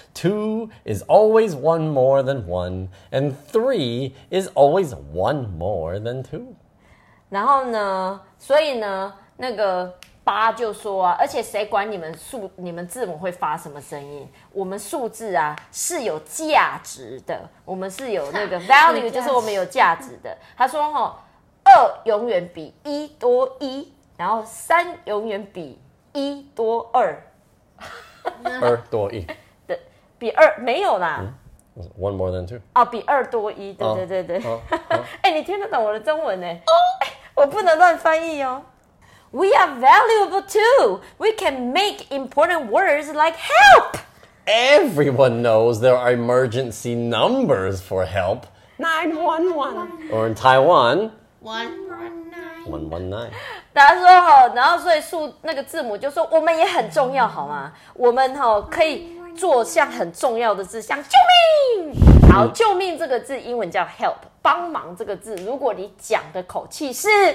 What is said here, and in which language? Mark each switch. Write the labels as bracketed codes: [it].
[en] Two is always one more than one, and three is always one more than two. [zh] 然后呢，所以呢，那个。八就说啊，而且谁管你们字母会发什么声音？我们数字啊是有价值的，我们是有那个 value， 就是我们有价值的。他说哈，二永远比一多一，然后三永远比一多二，二多一，对，比二没有啦。 [en] One more than two [zh] 啊，比二多一，对对对对。哎，你听得懂我的中文呢？我不能乱翻译哦。 [en] We are valuable too. We can make important words like help. Everyone knows there are emergency numbers for help. 911. Or in Taiwan. 119. [zh] 他说齁，然后所以数那个字母就说我们也很重要好吗？我们齁可以做像很重要的字，像救命。好，救命这个字英文叫 help， 帮忙这个字，如果你讲的口气是